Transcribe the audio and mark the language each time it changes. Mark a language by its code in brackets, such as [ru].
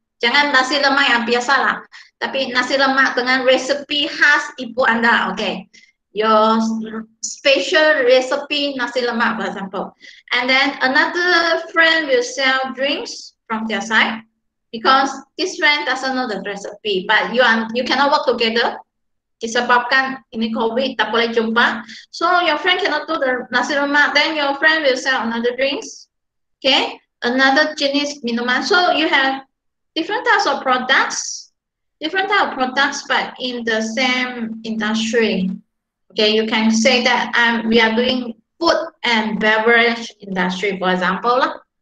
[ms] Jangan nasi lemak yang biasa lah, tapi nasi lemak dengan resepi khas ibu anda. [en] Okay, your special recipe nasi lemak, for example. And then another friend will sell drinks from their side, because this friend doesn't know the recipe, but you cannot work together. [ms] Disebabkan ini COVID, tak boleh jumpa. [en] So your friend cannot do the nasi lemak, then your friend will sell another drinks. Okay, another [ms] jenis minuman. [en] So you have different types of products, different type of products, but in the same industry. Okay, you can say that we are doing food and beverage industry, for example.